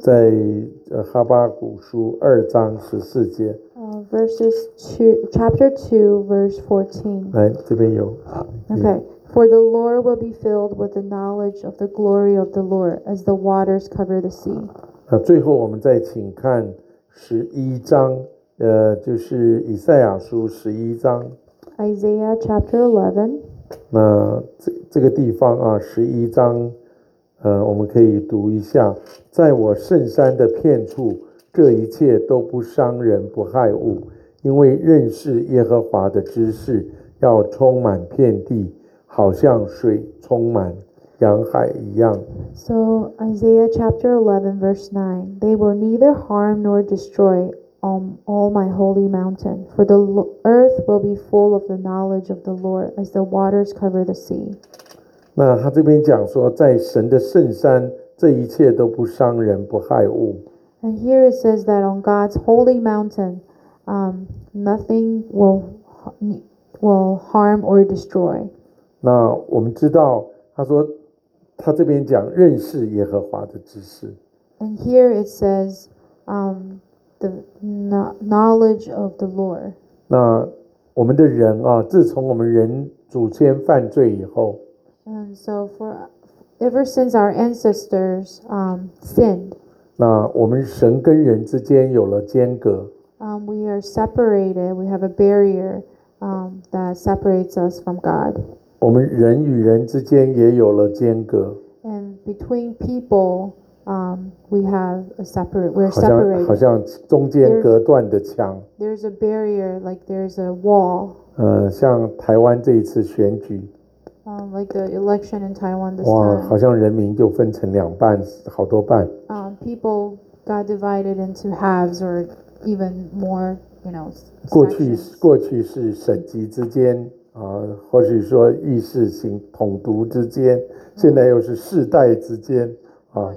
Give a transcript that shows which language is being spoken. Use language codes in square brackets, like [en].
[zh] 在哈巴谷书二章十四节。 [en] Verses two, chapter 2, verse 14. [zh] 来，这边有。 [en] Okay, for the Lord will be filled with the knowledge of the glory of the Lord, as the waters cover the sea. [zh] 那最后我们再请看十一章，就是以赛亚书十一章。 [en] Isaiah chapter 11. [zh] 那这个地方啊，十一章，我们可以读一下，在我圣山的片处。这一切都不伤人不害物，因为认识耶和华的知识要充满遍地，好像水充满洋海一样。 [en] So Isaiah chapter 11 verse 9, they will neither harm nor destroy on all my holy mountain, for the earth will be full of the knowledge of the Lord as the waters cover the sea. [zh] 那他这边讲说在神的圣山这一切都不伤人不害物。 [en] And here it says that on God's holy mountain, nothing will harm or destroy. [zh] 那我们知道，他说他这边讲认识耶和华的知识。 [en] And here it says, the knowledge of the Lord. [zh] 那我们的人啊，自从我们人祖先犯罪以后。 [en] And so for ever since our ancestors sinned. [zh] 那我们神跟人之间有了间隔。 [en] We are separated. We have a barrier that separates us from God. [zh] 我们人与人之间也有了间隔。 [en] And between people, we have a separate. We're separated. [zh] 好像中间隔断的墙。 [en] There's a barrier, like there's a wall. [zh] 像台湾这一次选举。 [en] Like the election in Taiwan this time. [zh] 哇，好像人民就分成两半，好多半。 [en] People got divided into halves or even more, you know. [zh] 过去是省级之间啊，或许说议事型统独之间，现在又是世代之间啊。